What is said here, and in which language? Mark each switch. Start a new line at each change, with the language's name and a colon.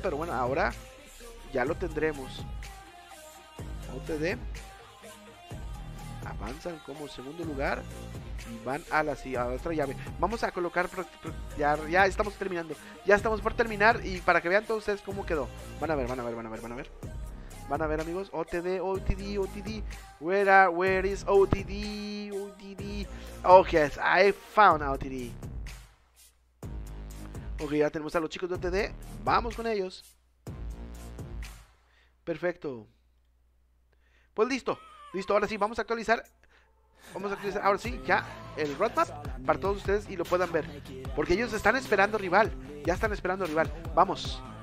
Spanish: Pero bueno, ahora ya lo tendremos. OTD. Avanzan como segundo lugar. Y van a la otra llave. Vamos a colocar. Ya estamos terminando. Ya estamos por terminar. Y para que vean todos ustedes cómo quedó. Van a ver. Van a ver, amigos. OTD.
English: Where is OTD? OTD. Oh, yes. I found OTD.
Spanish: Ok, ya tenemos a los chicos de OTD. Vamos con ellos. Perfecto. Pues listo. Listo, ahora sí, vamos a actualizar. Vamos a actualizar, ahora sí, ya el roadmap para todos ustedes y lo puedan ver. Porque ellos están esperando rival. Ya están esperando rival. Vamos.